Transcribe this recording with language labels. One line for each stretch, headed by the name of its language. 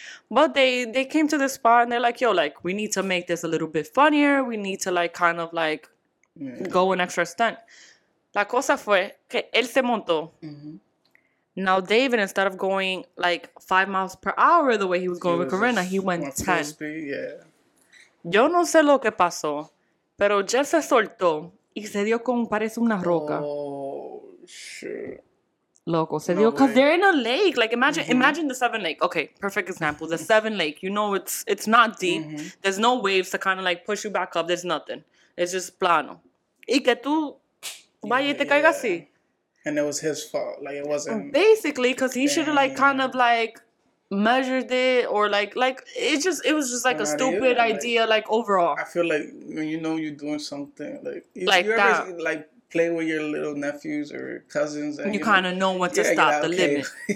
English: But they came to the spot and they're like, yo, like, we need to make this a little bit funnier. We need to, like, kind of, like, yeah. go an extra stunt.
Spanish: La cosa fue que él se montó. Mm-hmm.
English: Now, David, instead of going, like, 5 miles per hour the way he was going with Corinna, he went 10. Yeah.
Spanish: Yo no sé lo que pasó, pero Jeff se soltó y se dio con, parece una roca.
English: Oh, shit.
Spanish: Loco, se dio,
English: because they're in a lake. Like, imagine mm-hmm. imagine the Seven Lake. Okay, perfect example. The Seven Lake. You know, it's not deep. Mm-hmm. There's no waves to kind of, like, push you back up. There's nothing. It's just plano.
Spanish: Y que tú vaya y te caiga así.
English: And it was his fault. Like, it wasn't. Basically, because he should have, like, kind of, like, measured it. Or, like it was just, like, a stupid idea, like, overall. I feel like when you know you're doing something, like you're that. Ever, like, play with your little nephews or cousins. And you kind of know when to stop the limit.